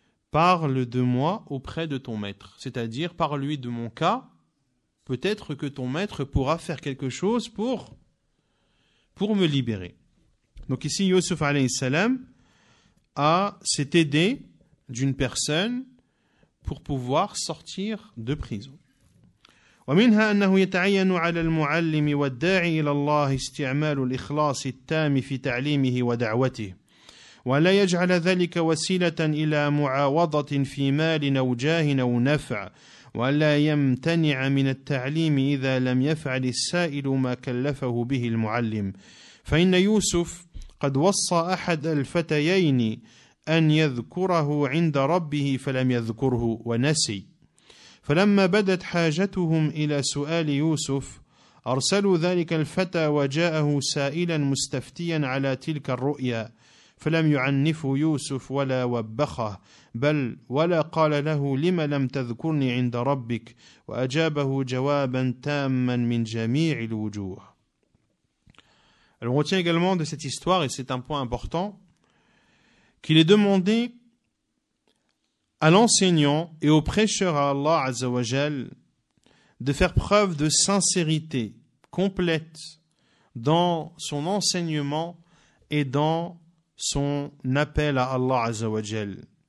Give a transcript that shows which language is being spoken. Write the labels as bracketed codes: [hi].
[fr] Parle de moi auprès de ton maître. C'est-à-dire, parle-lui de mon cas. Peut-être que ton maître pourra faire quelque chose pour me libérer. Donc ici, Yusuf alayhi salam s'est aidé d'une personne pour pouvoir sortir de prison. [ar] ومنها أنه يتعين على المعلم والداعي إلى الله استعمال الإخلاص التام في تعليمه ودعوته ولا يجعل ذلك وسيلة إلى معاوضة في مال أو جاه أو نفع ولا يمتنع من التعليم إذا لم يفعل السائل ما كلفه به المعلم فإن يوسف قد وصى أحد الفتيين أن يذكره عند ربه فلم يذكره ونسي فلما بدت حاجتهم إلى سؤال يوسف أرسلوا ذلك الفتى وجاءه سائلا مستفتيا على تلك الرؤيا فلم يعنف يوسف ولا وبخه بل ولا قال له لما لم تذكرني عند ربك وأجابه جوابا تاما من جميع الوجوه. [fr] On retient également de cette histoire, et c'est un point important, qu'il est demandé à l'enseignant et au prêcheur à Allah Azza wa Jal de faire preuve de sincérité complète dans son enseignement et dans son appel à Allah Azza wa Jal.